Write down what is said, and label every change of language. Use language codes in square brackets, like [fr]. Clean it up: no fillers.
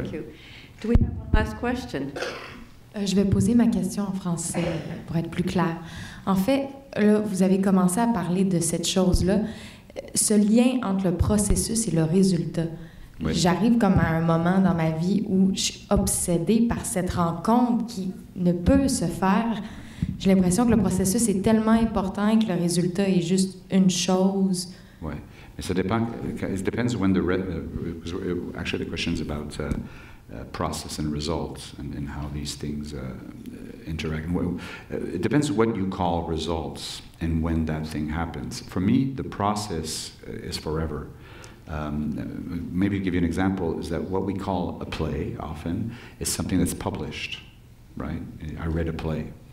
[en] Thank you. Do we have one last question? [fr] Je vais poser ma question en français pour être plus clair. En fait, là, vous avez commencé à parler de cette chose-là, ce lien entre le processus et le résultat. Oui. J'arrive comme à un moment dans ma vie où je suis obsédée par cette rencontre qui ne peut se faire. J'ai l'impression que le processus est tellement important et que le résultat est juste une chose. Oui, mais ça dépend. [en] It depends when the actually the question is about process and results and how these things interact. It depends what you call results and when that thing happens. For me, the process is forever. Maybe give you an example is that what we call a play often is something that's published, right? I read a play.